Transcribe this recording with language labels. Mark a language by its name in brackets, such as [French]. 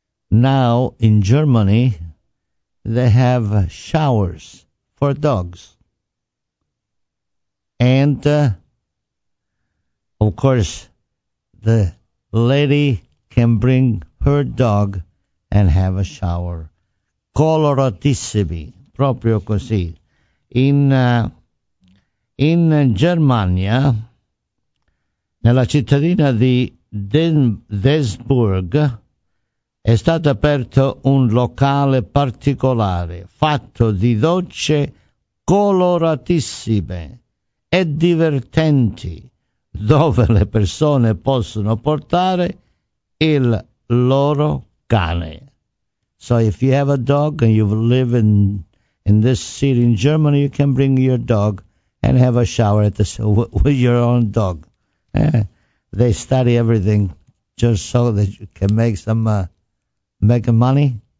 [English] Now in Germany, they have showers for dogs. And, of course, the lady can bring her dog and have a shower. [Italian] Coloratissimi, proprio così. In Germania, nella cittadina di Duisburg, è stato aperto un locale particolare fatto di docce coloratissime e divertenti, dove le persone possono portare il loro cane. [English] So if you have a dog and you live in this city in Germany, you can bring your dog and have a shower at the with your own dog. Yeah. They study everything just so that you can make some make money.